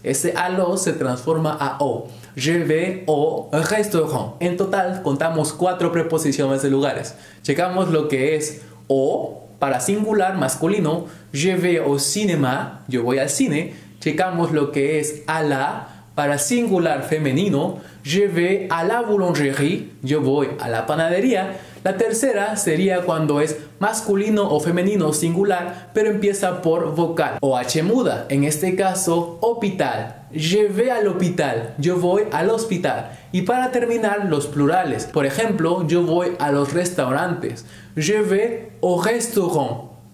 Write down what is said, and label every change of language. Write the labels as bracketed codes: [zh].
[es] Ese a los se transforma a o. [fr] Je vais au restaurant. [es] En total contamos 4 preposiciones de lugares. Checamos lo que es o para singular masculino. [fr] Je vais au cinéma. [es] Yo voy al cine. Checamos lo que es a la para singular femenino. [fr] Je vais à la boulangerie. [es] Yo voy a la panadería. La tercera sería cuando es masculino o femenino singular, pero empieza por vocal o H muda. En este caso, hospital. [fr] Je vais à l'hôpital. [es] Yo voy al hospital. Y para terminar, los plurales. Por ejemplo, yo voy a los restaurantes. [fr] Je vais au restaurant.